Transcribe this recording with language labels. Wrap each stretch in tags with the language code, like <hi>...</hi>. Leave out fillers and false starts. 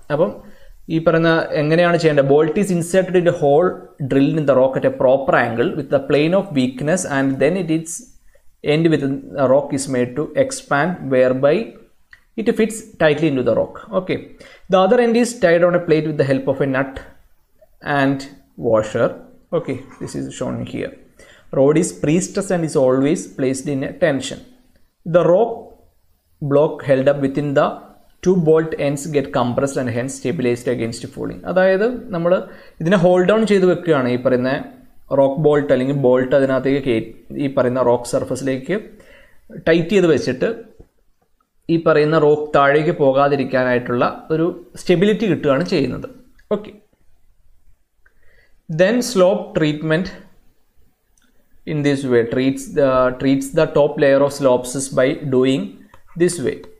<ml>അപ്പം ഈ പറയുന്ന എങ്ങനെയാണ് ചെയ്യേണ്ടത്?</ml> <en>Bolt is inserted in the hole drill in the rock at a proper angle with the plane of weakness and then it its end with the rock is made to expand whereby it fits tightly into the rock. Okay, the other end is tied on a plate with the help of a nut and washer. Okay, this is shown here. Road is pre-stressed and is always placed in a tension. The rock block held up within the two bolt ends get compressed and hence stabilized against falling.</en> <ml>അതായത് നമ്മൾ ഇതിനെ hold down ചെയ്ത് വെക്കുകയാണ് ഈ പറയുന്ന rock bolt അല്ലെങ്കിൽ bolt അതിനകത്തേക്ക് ഈ പറയുന്ന റോക്ക് സർഫസിലേക്ക് ടൈറ്റ് ചെയ്ത് വെച്ചിട്ട് ഈ പറയുന്ന റോക്ക് താഴേക്ക് പോകാതിരിക്കാനായിട്ടുള്ള ഒരു സ്റ്റെബിലിറ്റി കിട്ടുകയാണ് ചെയ്യുന്നത്.</ml> <en>Okay, then slope treatment in this way treats the top layer of slopes by doing this way.</en>